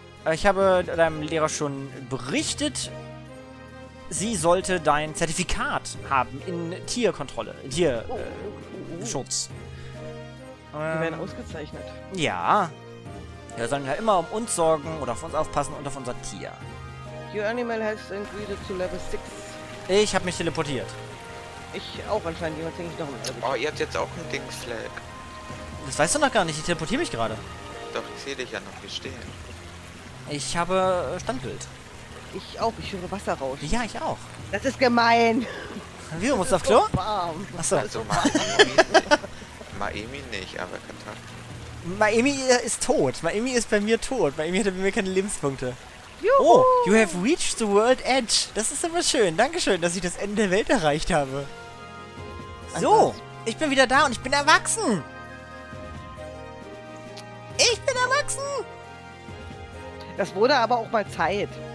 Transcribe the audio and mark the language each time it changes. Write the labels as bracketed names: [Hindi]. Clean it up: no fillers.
[German] Ich habe deinem Lehrer schon berichtet. Sie sollte dein Zertifikat haben in Tierkontrolle, Tierschutz. Wir werden ausgezeichnet. Ja. Wir sollen ja immer um uns sorgen oder auf uns aufpassen und auf unser Tier. [English] Your animal has increased to level 6. [German] Ich habe mich teleportiert. Ich auch anscheinend. Jemand denke ich noch mal. Oh, ihr habt jetzt auch ein Dingsflag. Das weißt du noch gar nicht. Ich teleportiere mich gerade. Doch, ich sehe dich ja noch. Wir stehen. Ich habe Standbild. Ich auch, ich höre Wasser rauschen. Ja, ich auch. Das ist gemein. Wie, du musst auf Klo? Warm. Achso. Also Maemi nicht, aber Kontakt. Maemi ist tot. Maemi ist bei mir tot. Maemi hatte bei mir keine Lebenspunkte. Juhu. [English] Oh, you have reached the world edge. [German] Das ist immer schön. Dankeschön, dass ich das Ende der Welt erreicht habe. So, ich bin wieder da und ich bin erwachsen. Ich bin erwachsen. Das wurde aber auch mal Zeit.